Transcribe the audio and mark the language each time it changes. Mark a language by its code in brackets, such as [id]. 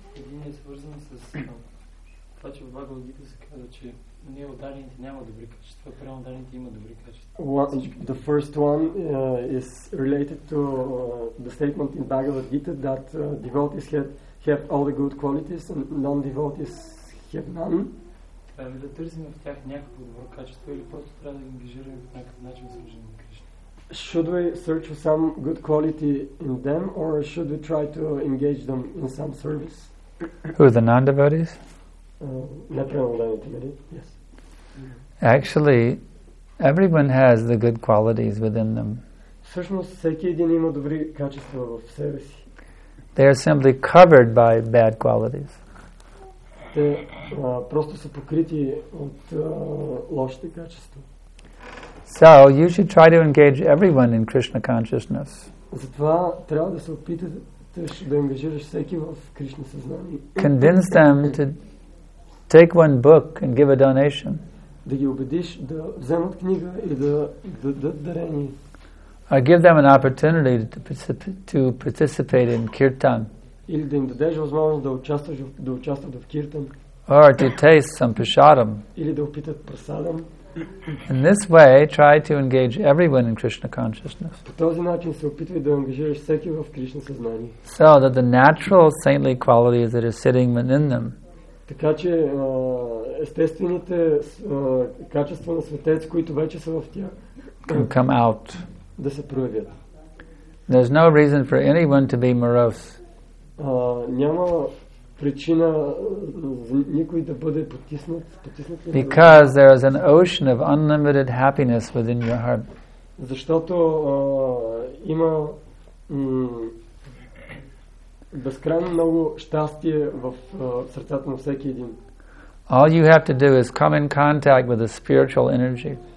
[bg] Един е свързан с това, че в Бхагавад Гита се казва, че не отдалените няма добри качества, а прямо отдалените има добри качества. [en] The first one is related to the statement in Bhagavad Gita that devotees have all the good qualities and non-devotees have none. [bg] Трябва да търсим в тях някакво добро качество или просто трябва да ги ангажираме в някакъв начин за служение на Кришна? [en] Should we search for some good quality in them or should we try to engage them in some service? Who are the non-devotees? [bg] Непреодолените, нали? [en] Yes. Actually, everyone has the good qualities within them. [bg] Всъщност всеки един има добри качества в себе си. [en] They are simply covered by bad qualities. [bg] Те просто са покрити от лошите качества. [en] So you should try to engage everyone in Krishna consciousness. [bg] Затова трябва да се опитате да ангажираш всеки в Кришна съзнание. [en] Convince them to take one book and give a donation. [bg] Да ги убедиш да вземат книга и да дадат дарение. [en] Or give them an opportunity to participate in kirtan. [bg] Или да им дадеш възможност да участват в киртан. [en] Or to taste some prasadam. [bg] Или да опитат прасадам. [en] In this way, try to engage everyone in Krishna consciousness. [bg] По този начин се опитвай да ангажираш всеки в Кришна съзнание. [en] So that the natural saintly qualities that are sitting within them. [bg] Така че естествените качества на светец, които вече са в тях. [en] Can come out. [bg] да се проявят. [en] There's no reason for anyone to be morose. [bg] Няма причина никой да бъде потиснат, потиснат. [en] Because there is an ocean of unlimited happiness within your heart. [bg] Защото има безкрайно много щастие в сърцата на всеки един. [en] All you have to do is come in contact with the spiritual energy.